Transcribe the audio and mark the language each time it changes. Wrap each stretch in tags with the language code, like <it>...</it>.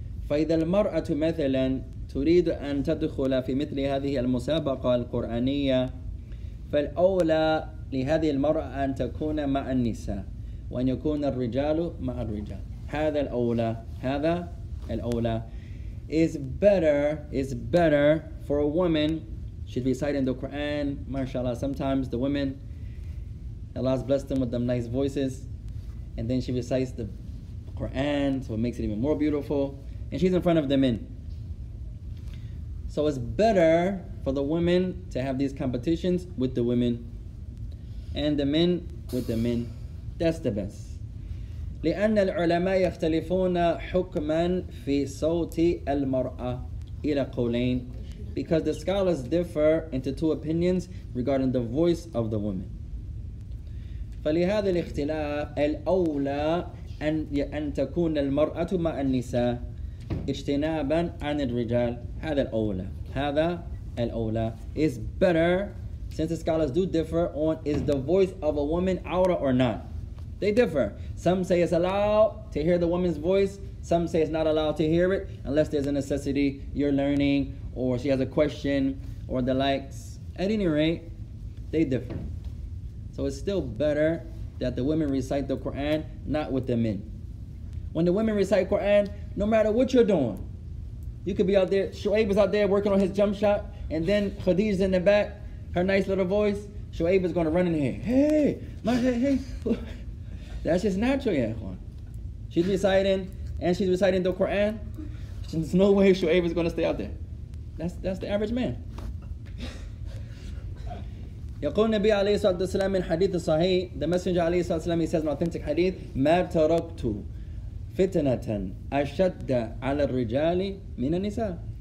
<ar>فإذا المرأة مثلا تريد أن تدخل في مثل هذه المسابقة القرآنية فالأولى لهذه المرأة أن تكون مع النساء وأن يكون الرجال مع الرجال هذا الأولى هذا الأولى</ar> <en>is better for a woman she's reciting the Quran mashallah sometimes the women Allah has blessed them with them nice voices and then she recites the Quran so it makes it even more beautiful And she's in front of the men. So it's better for the women to have these competitions with the women. And the men with the men. That's the best.</en> <ar>لأن العلماء يختلفون حكما في صوت المرأة إلى قولين.</ar> <en>Because the scholars differ into two opinions regarding the voice of the woman.</en> <ar>فلهذا الاختلاف الأولى أن تكون المرأة مع النساء. اجتنابا عن الرجال هذا الأولى</ar> <en>هذا الأولى is better since the scholars do differ on is the voice of a woman outer or not they differ some say it's allowed to hear the woman's voice some say it's not allowed to hear it unless there's a necessity you're learning or she has a question or the likes at any rate they differ so it's still better that the women recite the Quran not with the men when the women recite Quran No matter what you're doing, you could be out there, Shu'aib is out there working on his jump shot, and then Khadija's in the back, her nice little voice, Shu'aib is going to run in here. Hey, my hey. That's just natural, yeah. She's reciting, and she's reciting the Quran. There's no way Shu'aib is going to stay out there. That's the average man.</en> <ar>يقول النبي عليه الصلاة والسلام من حديث صحيح.</ar> <en>The messenger</en> <ar>عليه الصلاة والسلام,</ar> <en>he says an authentic hadith.</en> <ar>ما تركت فتنة أشد على الرجال من النساء.</ar>